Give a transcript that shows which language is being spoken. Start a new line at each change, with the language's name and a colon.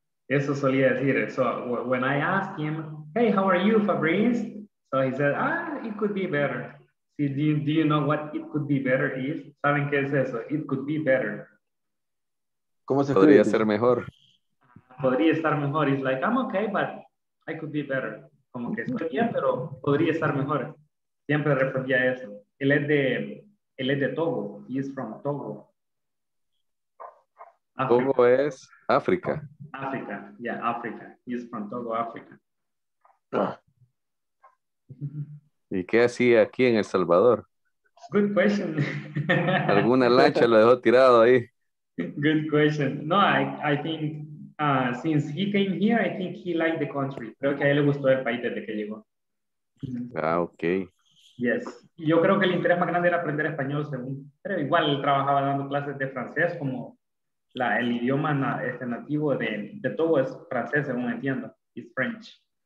Spanish: Eso solía decir.
English: So when I asked him, hey, how are you, Fabrice? So he said, it could be better. See, do you know what it could be better is?
Spanish: ¿Saben qué es eso?
English: It could be better.
Spanish: ¿Cómo se podría ser mejor? Podría estar mejor.
English: It's like, I'm okay, but I could be better.
Spanish: Como que estoy bien, pero podría estar mejor. Siempre respondía eso. Él es de Togo.
English: He is from Togo.
Spanish: Africa. Togo es África.
English: África. Yeah, África. He is from Togo, África.
Spanish: ¿Y qué hacía aquí en El Salvador?
English: Good question.
Spanish: ¿Alguna lancha lo dejó tirado ahí?
English: Good question. No, I think... since he came here, I think he liked the country.
Spanish: Creo que a él le gustó el país desde que llegó.
English: Ah, okay. Yes.
Spanish: Yo creo que el interés más grande era aprender español, según. Pero igual él trabajaba dando clases de francés, como el idioma nativo de todo es francés, según entiendo.
English: It's French.